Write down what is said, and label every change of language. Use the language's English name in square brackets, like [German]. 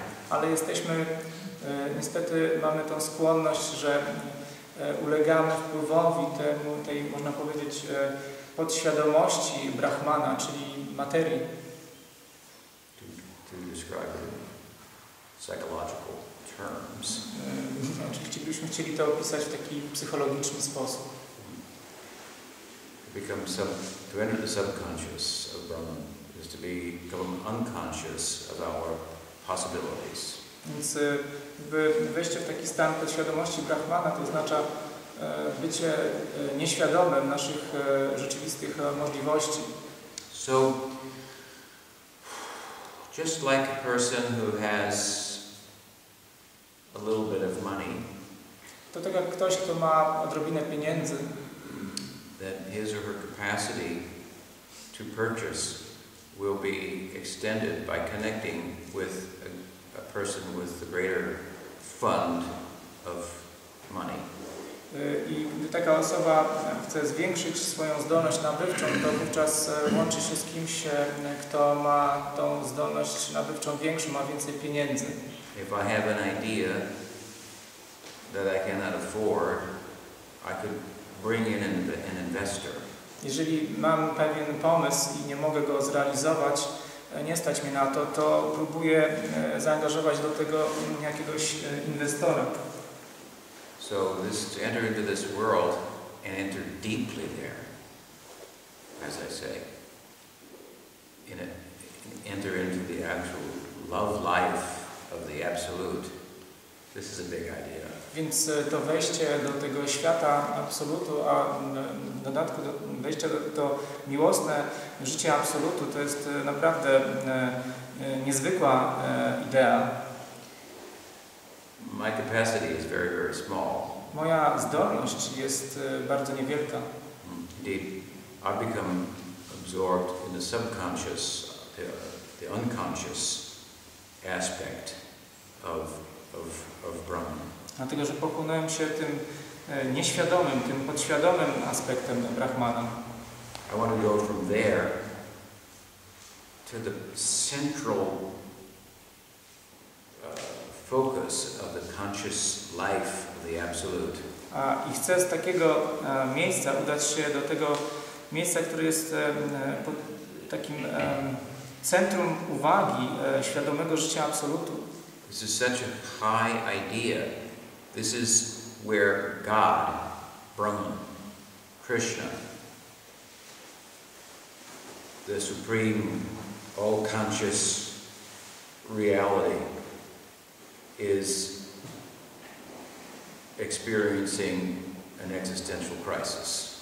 [Polish] Ale jesteśmy niestety mamy tą skłonność, że ulegamy wpływowi tej można powiedzieć podświadomości Brahmana, czyli materii. [English] To describe it in psychological terms. [Polish] Oczywiście byśmy chcieli to opisać w taki psychologiczny sposób. [English] To become to enter the subconscious of Brahman is to become unconscious of our possibilities. [Polish] Więc wejście w taki stan podświadomości Brahmana to oznacza bycie nieświadomym naszych rzeczywistych możliwości. [English] So, just like a person who has a little bit of money. [Polish] To tak jak ktoś, kto ma odrobinę pieniędzy, [English] that his or her capacity to purchase will be extended by connecting with a person with the greater fund of money. [Polish] I gdy taka osoba chce zwiększyć swoją zdolność nabywczą, to wówczas łączy się z kimś, kto ma tą zdolność nabywczą większą, ma więcej pieniędzy. [English] If I have an idea that I cannot afford, I could bring in an investor. [Polish] Jeżeli mam pewien pomysł i nie mogę go zrealizować, nie stać mi na to, to próbuję zaangażować do tego jakiegoś inwestora. [English] So this to enter into this world and enter deeply there, as I say, enter into the actual love life of the absolute. This is a big idea. [Polish] Więc to wejście do tego świata absolutu, a w dodatku wejście do miłosne życie absolutu, to jest naprawdę niezwykła idea. [English] My capacity is very, very small. [Polish] Moja zdolność jest bardzo niewielka. [English] Indeed, I become absorbed in the subconscious, the unconscious aspect of Brahman. [Polish] Dlatego, że pochłonąłem się tym nieświadomym, tym podświadomym aspektem Brahmana. [English] I want to go from there to the central focus of the conscious life of the absolute. [Polish] I chcę z takiego miejsca udać się do tego miejsca, które jest takim centrum uwagi świadomego życia absolutu. [English] This is such a high idea. This is where God, Brahman, Krishna, the supreme, all-conscious reality is experiencing an existential crisis.